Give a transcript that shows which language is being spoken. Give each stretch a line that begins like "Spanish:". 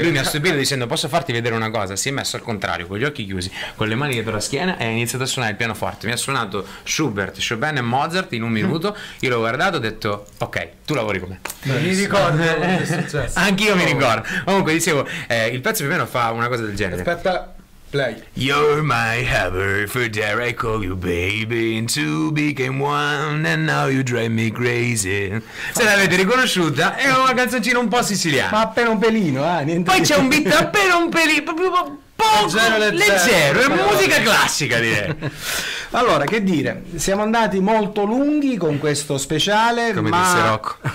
Italian: Lui mi ha stupito dicendo: posso farti vedere una cosa? Si è messo al contrario, con gli occhi chiusi, con le mani dietro la schiena, e ha iniziato a suonare il pianoforte. Mi ha suonato Schubert, Chopin e Mozart in un minuto. Io l'ho guardato e ho detto: ok, tu lavori con me. Mi ricordo quello che è successo. Anch'io mi ricordo. Comunque, dicevo, il pezzo più o meno fa una cosa del genere. Aspetta. Play.
English: You're my heaven, for dare I call you baby, and two became one, and now you drive me crazy.
Italian: Se l'avete riconosciuta, è una canzoncina un po' siciliana. Ma appena un pelino, niente. Poi c'è un beat appena un pelino, proprio poco leggero, è musica classica, direi. Allora, che dire, siamo andati molto lunghi con questo speciale, come ma... disse Rocco.